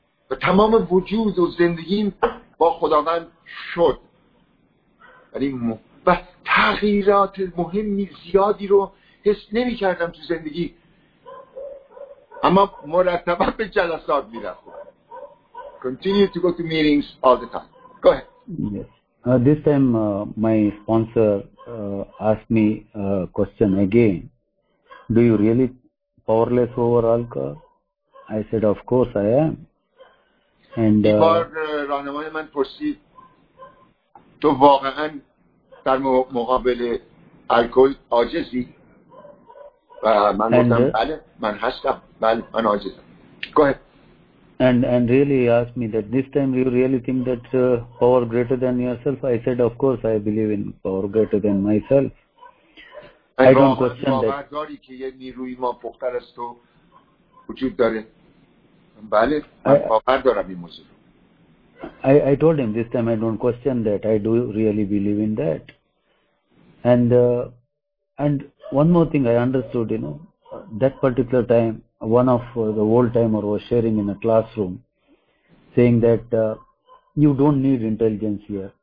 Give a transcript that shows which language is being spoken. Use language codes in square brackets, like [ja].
[fa] و تمام وجود و زندگیم با خداوند شد. یعنی و تغییرات مهمی زیادی رو حس نمی کردم تو زندگی، اما مرتبا به جلسات می رفتم. [en] Continue to go to meetings all the time. Go ahead. Yes. This time my sponsor asked me a question again. Do you really powerless over alcohol? I said, of course I am. And [fa] راهنمای من پرسید تو واقعا در مقابل الکل عاجزی؟ و من گفتم بله من هستم، بله من عاجزم. [en] Go ahead. And really asked me that this time you really think that power greater than yourself. I said, of course, I believe in power greater than myself. And I don't question that. [fa] باورداری که یه نیروی ما پختر است و وجود داره. بله، باوردارم این موضوع. [en] I told him this time I don't question that. I do really believe in that. And one more thing I understood, you know, that particular time. One of the old timer was sharing in a classroom, saying that you don't need intelligence here.